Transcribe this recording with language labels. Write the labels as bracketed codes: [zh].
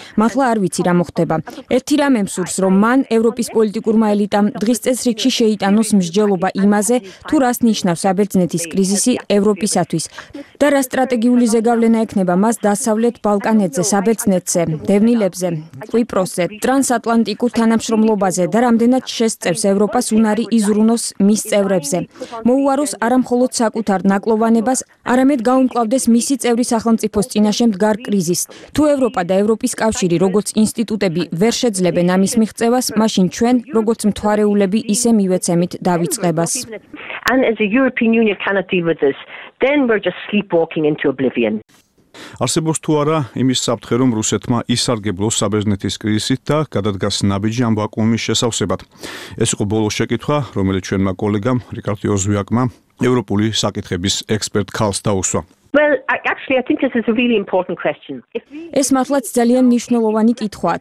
[ka] მართლა არ ვიცი, რა მოხდება. ერთი რამ მსურს, რომ მან ევროპის პოლიტიკურმა ელიტამ დღის წესრიგში შეიტანოს მსჯელობა იმაზე, თუ რას ნიშნავს საბერძნეთის კრიზისი ევროპისათვის და რა სტრატეგიული ზეგავლენა ექნება მას დასავლეთ ბალკანეთზე, საბერძნეთზე, დევნილებზე, კვიპროსზე, ტრანსატლანტიკურ თანამშრომლობაზე და რამდენად შესწევს ევროპას უნარი იზრუნოს მის წევრებზე. მოუაროს არამხოლოდ საკუთარ ნაკლოვანებას, არამედ გაუმკლავდეს მისი წევრი სახელმწიფოს წინაშე მდგარ კრიზისს. თუ ევროპა და ევროპის კავშირი როგორც ინსტიტუტები ვერ შეძლებენ ამის მიღწევას, მაშინ ჩვენ როგორც მთვარეულები ისე მივეცემით დავიწყებას. [en] And as a European Union cannot deal with this, then we're just sleepwalking into oblivion. [ka] არსებობს თუ არა იმის საფრთხე, რომ რუსეთმა ისარგებლოს საბერძნეთის კრიზისით და გადადგას ნაბიჯი ამ ვაკუუმის შესავსებად. ეს იყო ბოლო შეკითხვა, რომელიც ჩვენმა კოლეგამ რიკარდ იოზვიაკმა ევროპული საკითხების ექსპერტ ქალს დაუსვა. ეს მართლაც ძალიან მნიშვნელოვანი კითხვაა.